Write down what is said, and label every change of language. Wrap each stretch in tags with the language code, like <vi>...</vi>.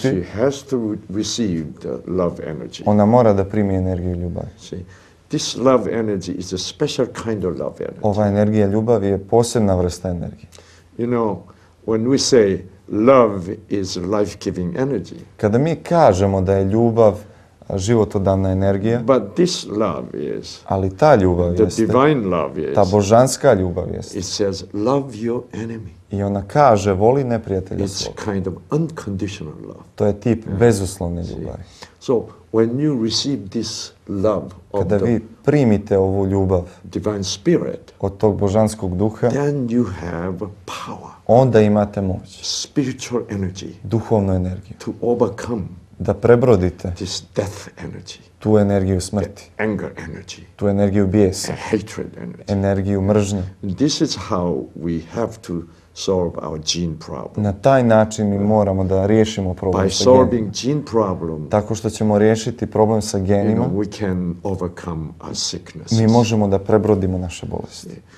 <en>She has to receive the love energy.</en> <bs>Ona mora da primi energiju ljubavi.</bs> <en>See, this love energy is a special kind of love energy.</en> <bs>Ova energija ljubavi je posebna vrsta energije.</bs> <en>You know, when we say love is life-giving energy.</en> <bs>Kada mi kažemo da je ljubav životodavna energija.</bs> <en>But this love is.</en> <bs>Ali ta ljubav jeste.</bs> <en>The divine love is.</en> <bs>Ta božanska ljubav jeste.</bs> <en>It says love your enemy.</en> <bs>I ona kaže voli neprijatelja svog.</bs> <en>It's kind of unconditional love.</en> <bs>To je tip bezuslovne ljubavi.</bs> <en>So when you receive this love of</en> <bs>kada vi primite ovu ljubav</bs> <en>divine spirit</en> <bs>od tog božanskog duha,</bs> <en>then you have power.</en> <bs>Onda imate moć.</bs> <en>Spiritual energy.</en> <bs>Duhovnu energiju.</bs> <en>To overcome</en> <bs>da prebrodite</bs> <en>this death energy,</en> <bs>tu energiju smrti,</bs> <en>anger energy,</en> <bs>tu energiju bijesa,</bs> <en>hatred energy,</en> <bs>energiju mržnje.</bs> <en>This is how we have to solve our gene problem.</en> <bs>Na taj način mi moramo da riješimo problem</bs> <en>by</en> <bs>sa</bs> <en>solving gene problem.</en> <bs>Tako što ćemo riješiti problem sa genima.</bs> <en>You know, we can overcome our sickness.</en> <bs>Mi možemo da prebrodimo naše bolesti.</bs>